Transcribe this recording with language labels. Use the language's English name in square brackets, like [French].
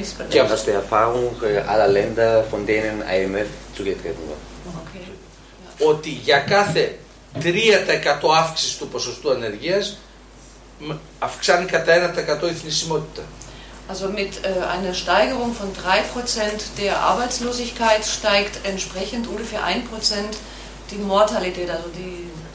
[Greek] Και από την [German] Erfahrung aller Länder, von denen IMF zugetreten war. [Greek] Ότι για κάθε 3% αύξηση του ποσοστού ανεργίας αυξάνει κατά 1% η θνησιμότητα. [German] Also mit einer Steigerung von 3% der Arbeitslosigkeit steigt entsprechend ungefähr 1% die Mortalität, also die